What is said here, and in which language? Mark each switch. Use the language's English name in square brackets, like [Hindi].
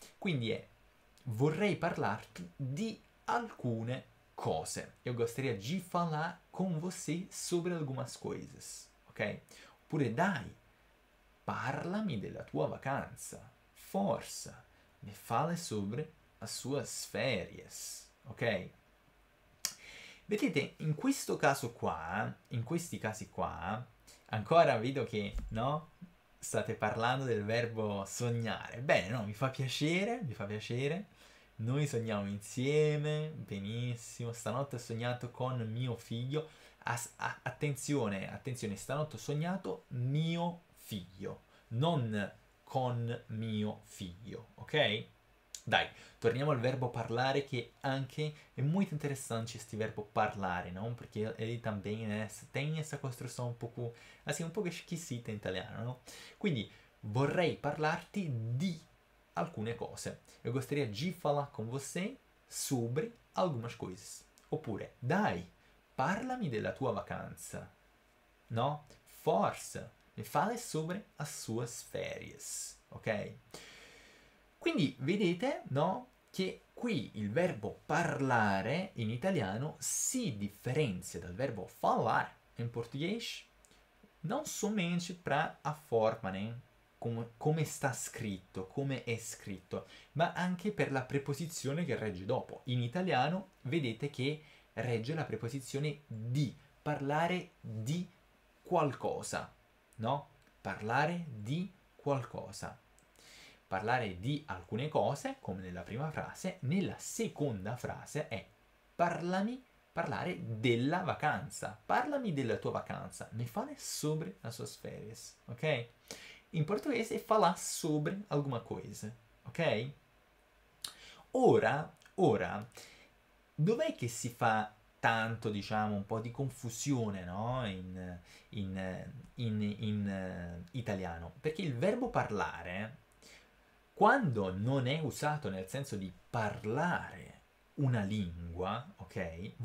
[Italian] Quindi vorrei parlarti di alcune cose. [Portuguese] Eu gostaria de falar com você sobre algumas coisas, ok? [Italian] Oppure dai, parla-me della tua vacanza. [Portuguese] Força, me fale sobre as suas férias, ok? [Italian] Vedete, in questo caso qua, in questi casi qua, ancora vedo che, no? State parlando del verbo sognare. Bene, no? Mi fa piacere, mi fa piacere. Noi sogniamo insieme, benissimo. Stanotte ho sognato con mio figlio. Attenzione, attenzione, stanotte ho sognato mio figlio, non con mio figlio, ok? Dai, torniamo al verbo parlare che anche è molto interessante questo verbo parlare, no? Perché lui también [Portuguese] tem essa construção [Italian] un po' esquisita in italiano, no? Quindi vorrei parlarti di alcune cose. [Portuguese] Eu gostaria de falar com você sobre algumas coisas. [Italian] Oppure, dai, parla-me della tua vacanza. No? [Portuguese] Força, me fale sobre as suas férias. [Italian] Ok? Quindi, vedete, no? Che qui il verbo parlare in italiano si differenzia dal verbo falar in português, non [Portuguese] somente para a forma, né? [Italian] Come sta scritto, come è scritto, ma anche per la preposizione che regge dopo. In italiano vedete che regge la preposizione di, parlare di qualcosa, no? Parlare di qualcosa. Parlare di alcune cose, come nella prima frase, nella seconda frase è parlare della vacanza. Parlami della tua vacanza. [Portuguese] Me fale sobre as suas férias, ok? In portoghese falar sobre alguma coisa, ok? [Italian] Ora, dov'è che si fa tanto, diciamo, un po' di confusione, no? In italiano? Perché il verbo parlare, quando non è usato nel senso di parlare una lingua, ok?